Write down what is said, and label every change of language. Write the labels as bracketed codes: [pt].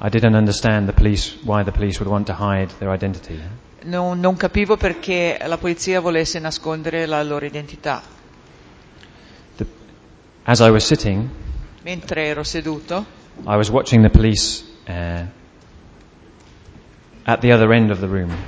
[en] I didn't understand the police, why the police would want to hide their identity. [it] Non capivo perché la polizia volesse nascondere la loro identità. [en] As I was sitting, [it] mentre ero seduto, [en] I was watching the police at the other end of the room.